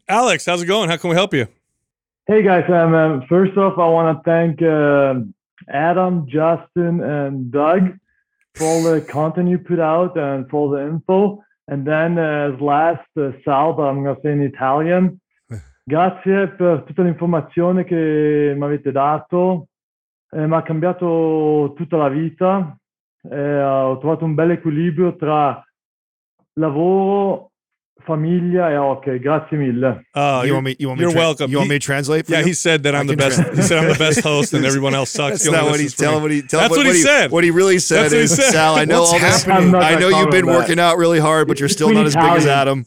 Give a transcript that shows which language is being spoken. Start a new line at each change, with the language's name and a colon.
English: Alex, how's it going? How can we help you? Hey guys, first off, I want to thank Adam, Justin, and Doug for all the content you put out and for all the info. And then as last, Sal, but I'm going to say in Italian.
Italian: Grazie per tutta l'informazione che mi avete dato. Mi ha cambiato tutta la vita. Ho trovato un bel equilibrio tra lavoro, famiglia, e okay, grazie mille.
English: You're welcome. You want me to translate for you? Yeah, he said that I'm the best host and everyone else sucks. That's what he said. What he really said that's is, Sal, I know what's all this, I know you've been working out really hard, but you're still not as big as Adam.